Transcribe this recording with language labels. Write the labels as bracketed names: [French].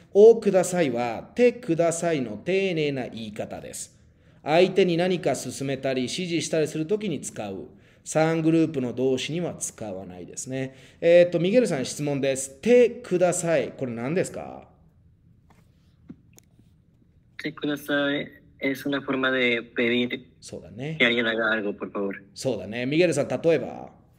[Japanese] おくださいは、てくださいの丁寧な言い方です。相手に何か勧めたり指示したりするときに使う。 3グループの動詞には使わないですね。ミゲルさん、質問です。てください、これ何ですか？てください、 [Spanish] es una forma de pedir [Japanese] そうだね。 [Spanish] que alguien haga algo, por favor. [Japanese] そうだね。ミゲルさん、例えば。